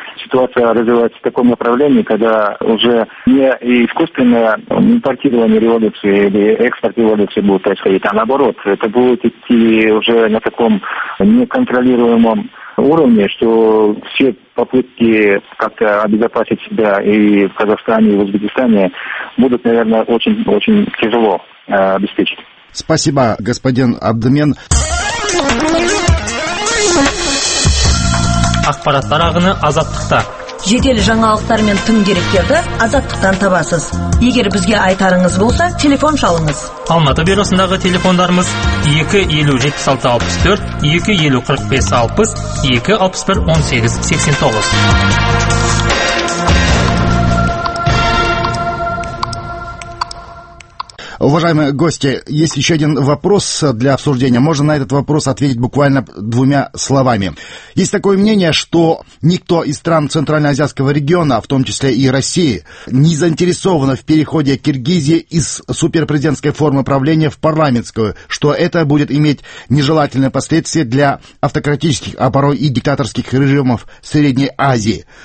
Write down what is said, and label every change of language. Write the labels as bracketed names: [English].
[Russian] ситуация развивается в таком направлении, когда уже не искусственное импортирование революции или экспорт революции будет происходить, а наоборот, это будет идти уже на таком неконтролируемом уровне, что все попытки как-то обезопасить себя и в Казахстане, и в Узбекистане будут, наверное, очень-очень тяжело обеспечить. Спасибо, господин Абдымен. [Kazakh] Ақпараттар ағыны Азаттықта. Жедел жаңалықтар мен тың деректерді Азаттықтан табасыз. Егер бізге айтарыңыз болса, телефон шалыңыз. Алматы бюросындағы телефондарымыз 2-50-76-64, 2-50-45-60, 2-61-18-89. [Russian] Уважаемые гости, есть еще один вопрос для обсуждения. Можно на этот вопрос ответить буквально двумя словами. Есть такое мнение, что никто из стран Центральноазиатского региона, в том числе и России, не заинтересован в переходе Киргизии из суперпрезидентской формы правления в парламентскую, что это будет иметь нежелательные последствия для автократических, а порой и диктаторских режимов Средней Азии.